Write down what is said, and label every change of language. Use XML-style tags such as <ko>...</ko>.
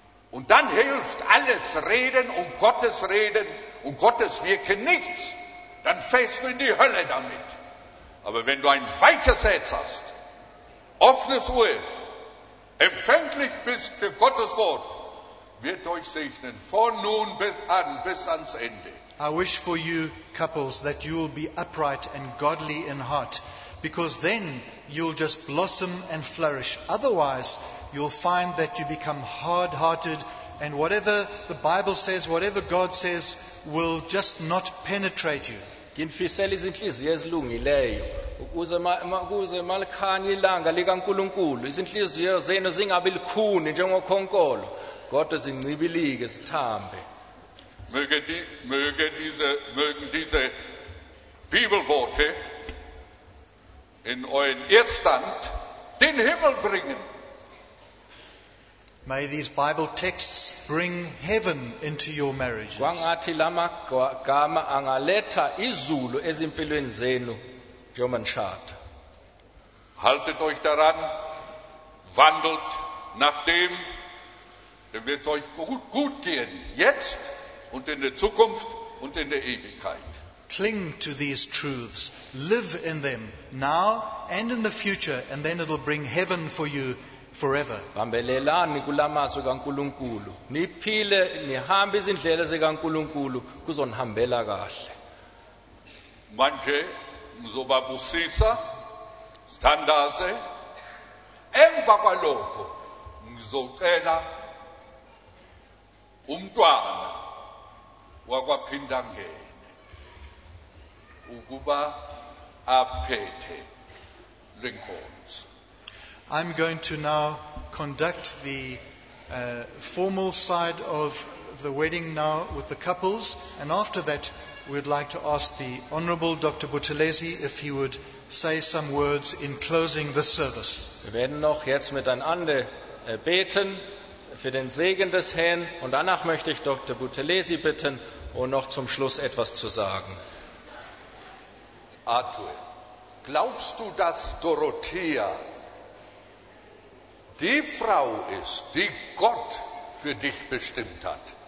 <de>Und dann hilft alles Reden und Gottes Reden und Gottes Wirken nichts. Dann fällst du in die Hölle damit. Aber wenn du ein weiches Herz hast, offenes Ohr, empfänglich bist für Gottes Wort, wird euch segnen von nun an bis ans Ende.</de> <en>I wish for you couples that you will be upright and godly in heart, because then you'll just blossom and flourish. Otherwise, you'll find that you become hard-hearted, and whatever the Bible says, whatever God says, will just not penetrate you.</en> <zu>Ginfiseli zinhliziyo ezilungileyo ukuze makuze malikhanye ilanga likaNkulunkulu izinhliziyo zenu zingabi likhuni njengokhonkolo kodwa zincibilike zithambe.</zu> <de>Mögen diese Bibelworte in euren Erstand den Himmel bringen.</de> <en>May these Bible texts bring heaven into your marriages.</en> <zu>Kwangathi lamagama angaletha izulu ezimpilweni zenu njengomshado.</zu> <de>Haltet euch daran, wandelt nach dem, dann wird es euch gut gehen, jetzt und in der Zukunft und in der Ewigkeit.</de> <en>Cling to these truths, live in them now and in the future, and then it'll bring heaven for you forever.</en> <zu>Bambelelani kulamazwi kaNkulunkulu. Niphile nihambe izindlela zikaNkulunkulu kuzonihambela kahle. Manje ngizobabusisa sithandaze. Emva kwalokho ngizocela umntwana wakwaPhindangene ukuba aphethe lenkonzo.</zu> <en>I'm going to now conduct the formal side of the wedding now with the couples, and after that we'd like to ask the Honourable Dr. Buthelezi if he would say some words in closing this service.</en> <de>Wir werden noch jetzt miteinander beten für den Segen des Herrn, und danach möchte ich Dr. Buthelezi bitten, um noch zum Schluss etwas zu sagen. Arthur, glaubst du, dass Dorothea die Frau ist, die Gott für dich bestimmt hat?</de>